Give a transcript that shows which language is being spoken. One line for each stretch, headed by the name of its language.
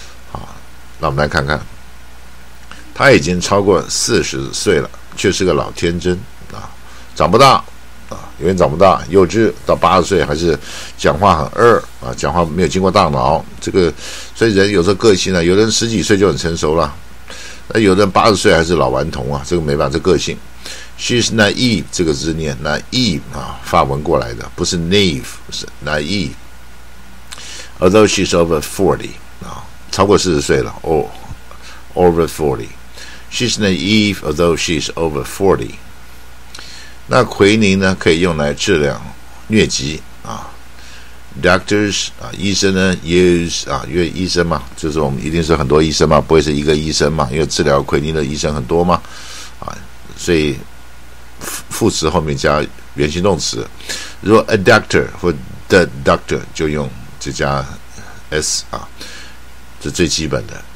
Chinese: 好，那我们来看看。他已经超过40岁了，却是个老天真啊，长不大啊，永远长不大，幼稚到80岁还是讲话很二啊，讲话没有经过大脑，这个所以人有时候个性呢，有人十几岁就很成熟了，那有人80岁还是老顽童啊，这个没办法，这个性。
English: She's naive，
Chinese: 这个字念 naive 啊，法文过来的，不是 naive， 是 naive。
English: Although she's over 40
Chinese: 啊，超过40岁了哦
English: ，over 40。 She's naive, although she's over 40.
Chinese: 那奎宁呢，可以用来治疗疟疾啊。 Doctors 啊，医生呢 use 啊，因为医生嘛，就是我们一定是很多医生嘛，不会是一个医生嘛，因为治疗奎宁的医生很多嘛啊，所以副词后面加原形动词，如果 a doctor 或 the doctor 就用这加 s 啊，这最基本的。